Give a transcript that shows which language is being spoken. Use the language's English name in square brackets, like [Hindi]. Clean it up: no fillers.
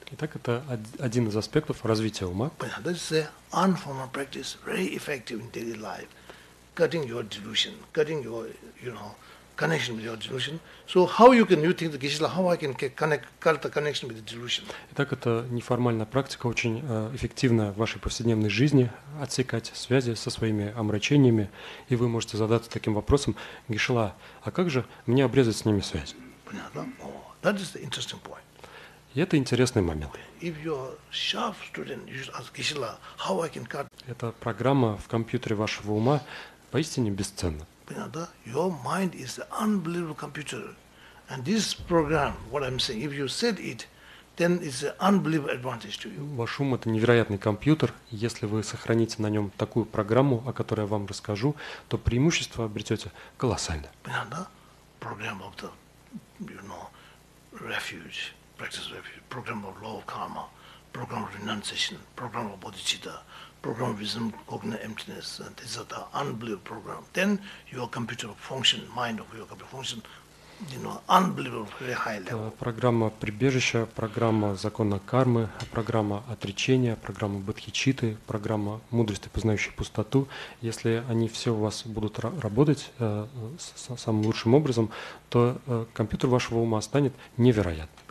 [Russian] Итак, это один из аспектов развития ума. [English] Понятно, that is the unformal practice, very effective in daily life, cutting your delusion, cutting your, you know, connection with your delusion. So how you can, you think, Кришна, how I can connect, cut the connection with the delusion? [Russian] Итак, это неформальная практика, очень эффективная в вашей повседневной жизни, отсекать связи со своими омрачениями, и вы можете задаться таким вопросом, Кришна, а как же мне обрезать с ними связь? [English] Понятно, oh, that is the interesting point. [Russian] И это интересный момент. [English] If you are sharp student, you should ask Кришна, how I can cut. [Russian] Эта программа в компьютере вашего ума поистине бесценна. Понятно, да? [English] Your mind is an unbelievable computer. And this program, what I'm saying, if you said it, then it's an unbelievable advantage to you. [Russian] Ваш ум – это невероятный компьютер. Если вы сохраните на нем такую программу, о которой я вам расскажу, то преимущество обретете колоссальное. Понятно, да? Программа, доктор. [English] you know, refuge, practice of refuge, program of law of karma, program of renunciation, program of bodhicitta, program of wisdom, cognitive emptiness. These are the unbelievable program. Then your computer function, mind of your computer function, you know, unbelievable, very high level. [Russian] Программа прибежища, программа закона кармы, программа отречения, программа бодхичитты, программа мудрости, познающей пустоту. Если они все у вас будут работать самым лучшим образом, то компьютер вашего ума станет невероятным.